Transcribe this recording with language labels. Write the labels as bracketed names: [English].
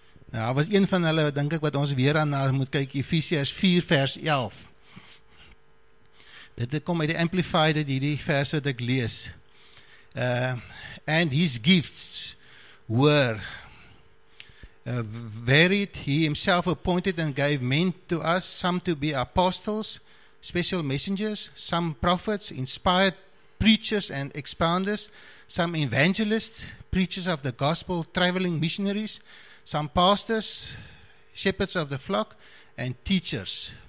[Afrikaans] Nou, was een van hulle, denk ek, wat ons weer aan moet kyk. Efesiërs 4 vers 11. Dit kom uit die Amplified, die vers wat ek lees. [English] And his gifts were varied. He himself appointed and gave men to us, some to be apostles, special messengers, some prophets, inspired preachers and expounders, some evangelists, preachers of the gospel, traveling missionaries, some pastors, shepherds of the flock, and teachers.